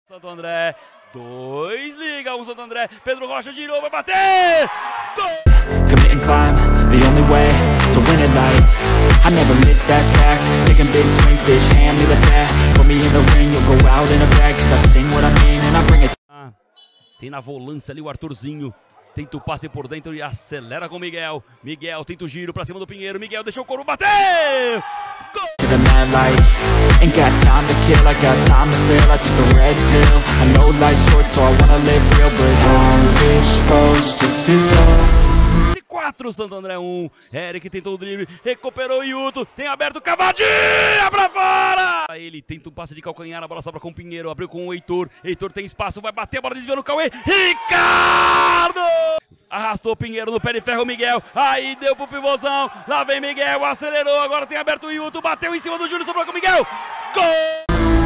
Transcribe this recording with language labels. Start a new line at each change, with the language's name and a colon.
Portuguese: Santo André, 2 liga, 1 Santo André, Pedro Rocha de novo, vai bater! Gol!
English: Commit and climb, the only way to win it life. I never miss, that's fact. Taking big swings, bitch, hand me the bat. Put me in the ring, you'll go out in a bag. Cause I sing what I mean and I bring it.
Portuguese: Tem na volância ali o Arthurzinho. Tenta o passe por dentro e acelera com o Miguel. Miguel tenta o giro pra cima do Pinheiro. Miguel deixou o coro bater!
English: Go! To the mad light. Ain't got time to kill, I got time to feel. I took the red pill. I know life's short, so I wanna live real. But how's it supposed to feel?
Portuguese: 4, Santo André 1, Eric tentou o drible, recuperou o Yuto, tem aberto, cavadinha pra fora! Ele tenta um passe de calcanhar, a bola sobra com o Pinheiro, abriu com o Heitor, Heitor tem espaço, vai bater, a bola desvia no Cauê, Ricardo! Arrastou o Pinheiro no pé de ferro, Miguel, aí deu pro pivôzão, lá vem Miguel, acelerou, agora tem aberto o Yuto, bateu em cima do Júlio, sobrou com o Miguel, gol!